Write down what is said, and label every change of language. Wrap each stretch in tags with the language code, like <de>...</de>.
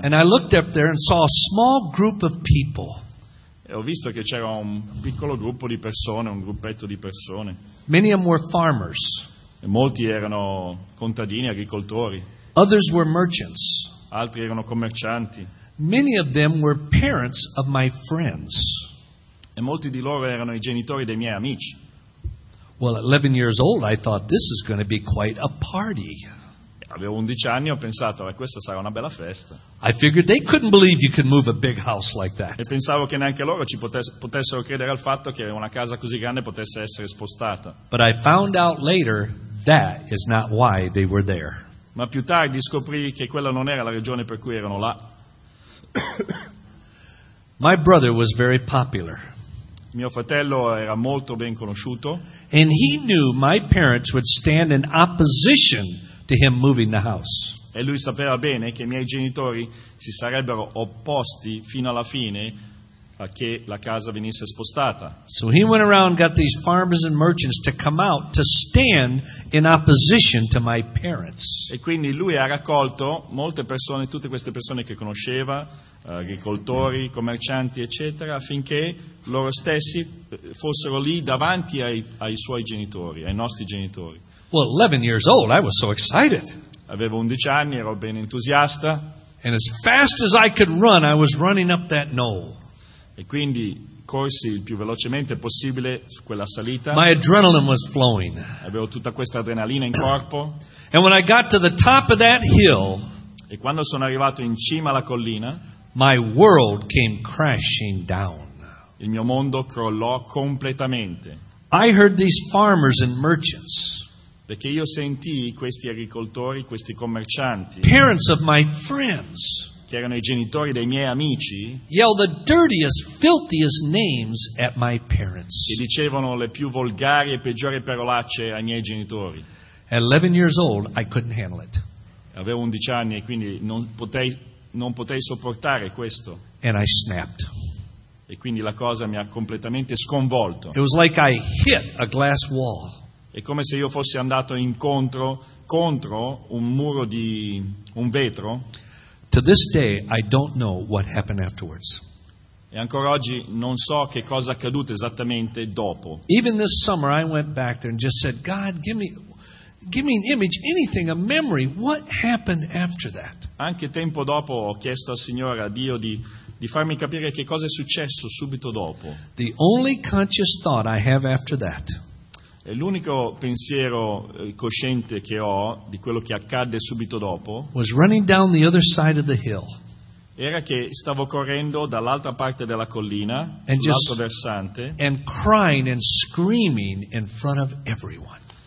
<en>And I looked up there and saw a small group of people.</en> <it>E ho visto che c'era un piccolo gruppo di persone, un gruppetto di persone.</it> <en>Many of them were farmers.</en> <it>E molti erano contadini, agricoltori.</it> <en>Others were merchants.</en> <it>Altri erano commercianti.</it> <en>Many of them were parents of my friends.</en> <it>E molti di loro erano I genitori dei miei amici.</it> <en>Well, at 11 years old, I thought this is going to be quite a party.</en> <it>Avevo 11 anni, ho pensato, questa sarà una bella festa.</it> <en>I figured they couldn't believe you could move a big house like that.</en> <it>E pensavo che neanche loro ci potessero credere al fatto che una casa così grande potesse essere spostata.</it> <en>But I found out later that is not why they were there.</en> <it>Ma più tardi scoprì che quella non era la ragione per cui erano là.</it> <en>My brother was very popular.</en> <it>Mio fratello era molto ben conosciuto.</it> <en>And he knew my parents would stand in opposition to him moving the house.</en> <it>E lui sapeva bene che I miei genitori si sarebbero opposti fino alla fine a che la casa venisse spostata.</it> <en>So he went around and got these farmers and merchants to come out to stand in opposition to my parents.</en> <it>E quindi lui ha raccolto molte persone, tutte queste persone che conosceva, agricoltori, commercianti, eccetera, affinché loro stessi fossero lì davanti ai suoi genitori, ai nostri genitori.</it> <en>Well, 11 years old, I was so excited.</en> <it>Avevo 11 anni, ero ben entusiasta.</it> <en>And as fast as I could run, I was running up that knoll.</en> <it>E quindi corsi il più velocemente possibile su quella salita.</it> <en>My adrenaline was flowing.</en> <it>Avevo tutta questa adrenalina in corpo.</it> <en>And when I got to the top of that hill,</en> <it>e quando sono arrivato in cima alla collina,</it> <en>my world came crashing down.</en> <it>Il mio mondo crollò completamente.</it> <en>I heard these farmers and merchants.</en> <it>Perché io sentii questi agricoltori, questi commercianti.</it> <en>Parents of my friends.</en> <it>Che erano I genitori dei miei amici.</it> <en>Yell the dirtiest, filthiest names at my parents.</en> <it>Che dicevano le più volgari e peggiori parolacce ai miei genitori.</it> <en>At 11 years old, I couldn't handle it.</en> <it>Avevo 11 anni e quindi non potei sopportare questo.</it> <en>And I snapped.</en> <it>E quindi la cosa mi ha completamente sconvolto.</it> <en>It was like I hit a glass wall.</en> <it>È come se io fossi andato incontro contro un muro di un vetro.</it> <en>To this day I don't know what happened afterwards.</en> <it>E ancora oggi non so che cosa è accaduto esattamente dopo.</it> <en>Even this summer I went back there and just said, God, give me an image, anything, a memory, what happened after that?</en> <it>Anche tempo dopo ho chiesto al Signore, a Dio, di farmi capire che cosa è successo subito dopo.</it> <en>The only conscious thought I have after that.</en> <it>E l'unico pensiero cosciente che ho di quello che accadde subito dopo</it> <en>was running down the other side of the hill.</en> <it>Era che stavo correndo dall'altra parte della collina, sull'altro versante,</it> <en>and crying and screaming in front of everyone.</en>